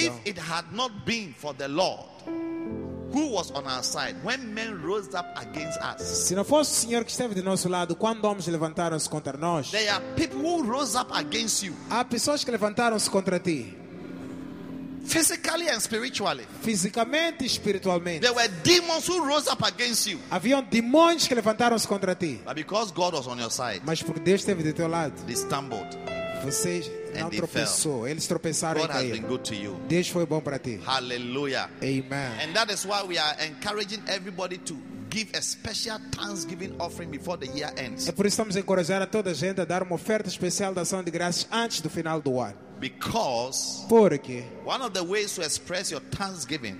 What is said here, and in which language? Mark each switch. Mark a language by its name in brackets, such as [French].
[English] if it had not been for the Lord, who was on our side when men rose up against us? [Portuguese] Se não fosse o Senhor que esteve do nosso lado quando homens levantaram-se contra nós. [English] There are people who rose up against you. [Portuguese] Há pessoas que levantaram-se contra ti. [English] Physically and spiritually. [Portuguese] Fisicamente e espiritualmente. [English] There were demons who rose up against you. [Portuguese] Havia demônios que levantaram-se contra ti. [English] But because God was on your side. [Portuguese] Mas porque Deus esteve do teu lado. [English] They stumbled. [Portuguese] Vocês não tropeçou, eles tropeçaram. [English] God has been good to you. [Portuguese] Deus foi bom para ti. Hallelujah. Amen. [English] And that is why we are encouraging everybody to give a special thanksgiving offering before the year ends. [Portuguese] É por isso que estamos encorajando a toda a gente a dar uma oferta especial da ação de graças antes do final do ano. [English] Because [Portuguese] porque [English] one of the ways to express your thanksgiving,